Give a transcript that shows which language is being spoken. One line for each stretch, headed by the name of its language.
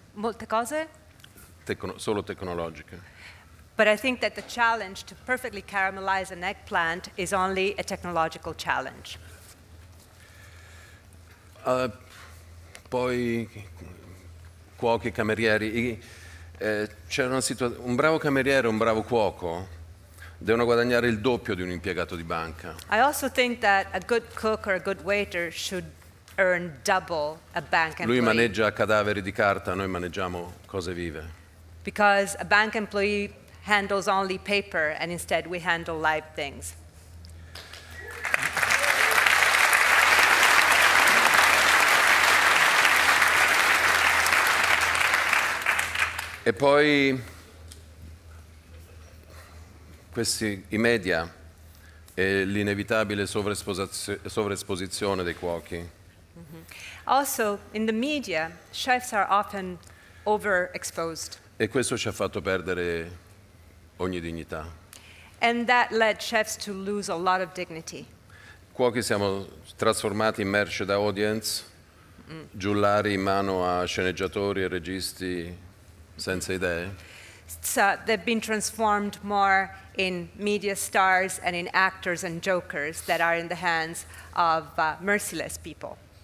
Italian: Molte cose? Solo tecnologiche.
English: But I think that the challenge to perfectly caramelize an eggplant is only a technological challenge.
Italian: Poi cuochi, camerieri. C'era una situazione. Un bravo cameriere e un bravo cuoco devono guadagnare il doppio di un impiegato di banca.
English: I also think that a good cook or a good waiter should earn double a bank employee.
Italian: Lui maneggia cadaveri di carta, noi maneggiamo cose vive.
English: Because a bank employee handles only paper and instead we handle live things.
Italian: E poi questi i media e l'inevitabile sovraesposizione dei cuochi. Mm-hmm.
English: Also, in the media, chefs are often overexposed.
Italian: E questo ci ha fatto perdere ogni dignità.
English: And that led chefs to lose a lot of dignity.
Italian: Cuochi siamo trasformati in merce da audience, giullari in mano a sceneggiatori e registi senza idee.
English: So they've been transformed more in media stars and in actors and jokers that are in the hands of merciless people.